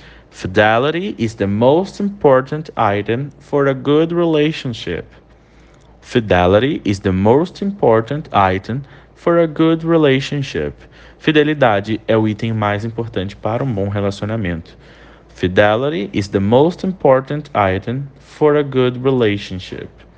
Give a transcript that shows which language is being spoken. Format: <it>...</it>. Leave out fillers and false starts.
<en>Fidelity is the most important item for a good relationship. Fidelity is the most important item for a good relationship.</en> <pt>Fidelidade é o item mais importante para um bom relacionamento.</pt> <en>Fidelity is the most important item for a good relationship.</en>